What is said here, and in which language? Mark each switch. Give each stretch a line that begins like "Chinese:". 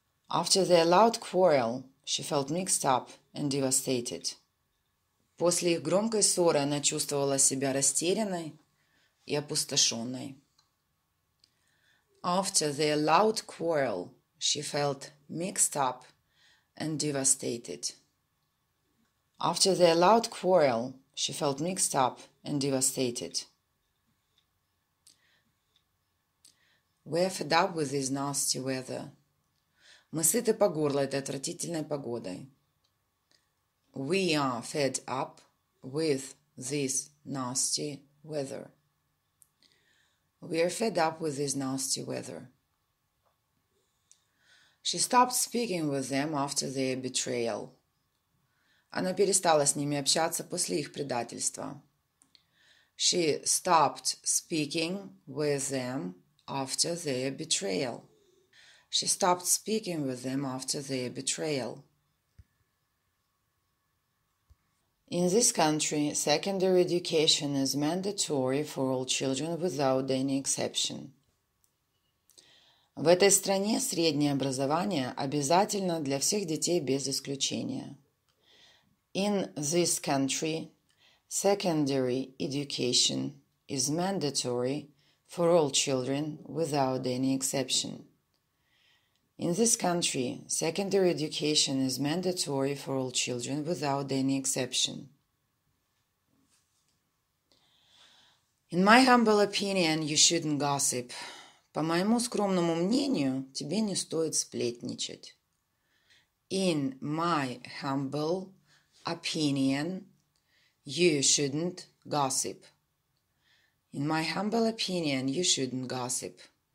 English: After their loud quarrel, she felt mixed up and devastated.
Russian: После их громкой ссоры она чувствовала себя растерянной и опустошенной.
English: After their loud quarrel, she felt mixed up and devastated. After their loud quarrel, she felt mixed up and devastated. We're fed up with this nasty weather.
Russian: Мы сыты по горло этой отвратительной погодой.
English: We are fed up with this nasty weather. We are fed up with this nasty weather. She stopped speaking with them after their betrayal.
Russian: Она перестала с ними общаться после их предательства.
English: She stopped speaking with them after their betrayal. She stopped speaking with them after their betrayal. In this country, secondary education is mandatory for all children without any exception.
Russian: В этой стране среднее образование обязательно для всех детей без исключения.
English: In this country, secondary education is mandatory for all children without any exception. In this country, secondary education is mandatory for all children without any exception. In my humble opinion, you shouldn't gossip.
Russian: По моему скромному мнению, тебе не стоит сплетничать.
English: In my humble opinion, you shouldn't gossip. In my humble opinion, you shouldn't gossip.